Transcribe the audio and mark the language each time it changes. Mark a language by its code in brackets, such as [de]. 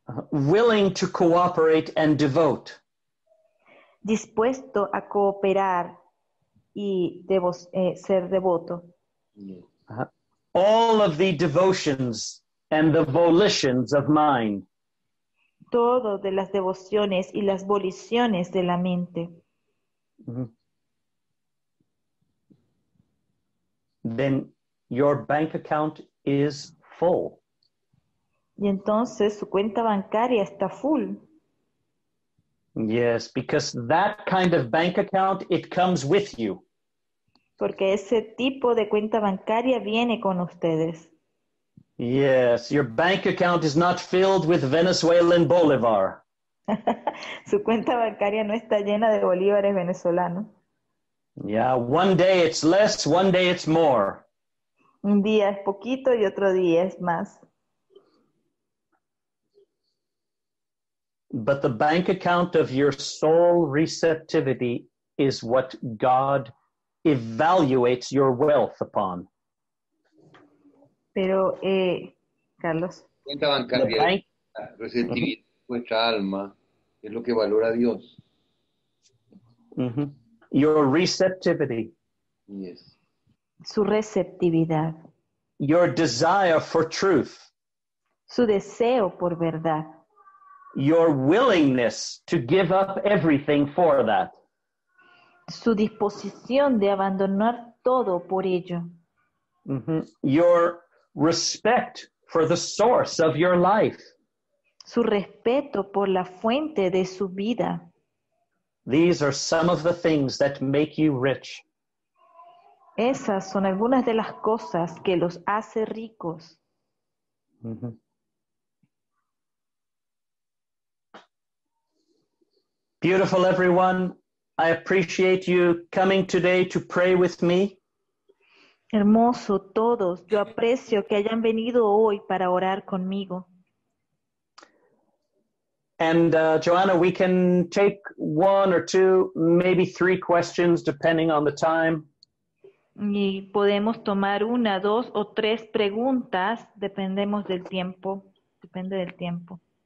[en] Willing to cooperate and devote. [es] Dispuesto a cooperar y ser devoto. Uh-huh. [en] All of the devotions and the volitions of mind. [es] Todo de las devociones y las voliciones de la mente. [en] Mm-hmm. Then your bank account is full. [es] Y entonces su cuenta bancaria está [en] full. Yes, because that kind of bank account, it comes with you. [es] Porque ese tipo de cuenta bancaria viene con ustedes. [en] Yes, your bank account is not filled with Venezuelan Bolívar. [es] Su cuenta bancaria no está llena de bolívares venezolanos. [en] Yeah, one day it's less, one day it's more. [es] Un día es poquito y otro día es más. [en] But the bank account of your soul receptivity is what God evaluates your wealth upon. [es] Pero, Carlos. Cuenta bancaria, la receptividad de vuestra alma es lo que valora a Dios. [en] Mm-hmm. Your receptivity. Yes. [es] Su receptividad. [en] Your desire for truth. [es] Su deseo por verdad. [en] Your willingness to give up everything for that. [es] Su disposición de abandonar todo por ello. Mm-hmm. [en] Your respect for the source of your life. [es] Su respeto por la fuente de su vida. [en] These are some of the things that make you rich. [es] Esas son algunas de las cosas que los hace ricos. Mm-hmm. [en] Beautiful, everyone. I appreciate you coming today to pray with me. [es] Hermoso todos, yo aprecio que hayan venido hoy para orar conmigo. [en] And Joanna, we can take one or two, maybe three questions depending on the time. [es] Y podemos tomar una, dos o tres preguntas, dependemos del tiempo, depende del tiempo.